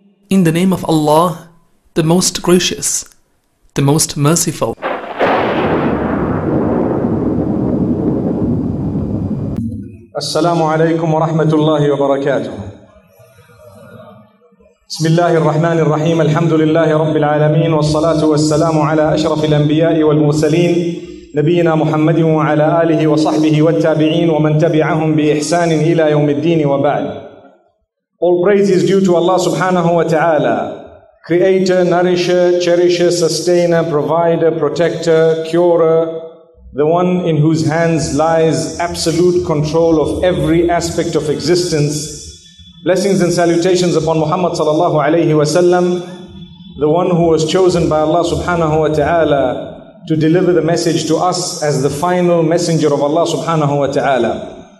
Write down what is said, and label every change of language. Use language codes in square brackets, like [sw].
[en] In the name of Allah, the Most Gracious, the Most Merciful. [ar] السلام عليكم ورحمة الله وبركاته. بسم الله الرحمن الرحيم. الحمد لله رب العالمين والصلاة والسلام على أشرف الأنبياء والمرسلين. نبينا محمد وعلى آله وصحبه والتابعين ومن تبعهم بإحسان إلى يوم الدين وبعد. [en] All praise is due to Allah subhanahu wa ta'ala, creator, nourisher, cherisher, sustainer, provider, protector, curer, the one in whose hands lies absolute control of every aspect of existence. Blessings and salutations upon Muhammad sallallahu alayhi wa sallam, the one who was chosen by Allah subhanahu wa ta'ala to deliver the message to us as the final messenger of Allah subhanahu wa ta'ala.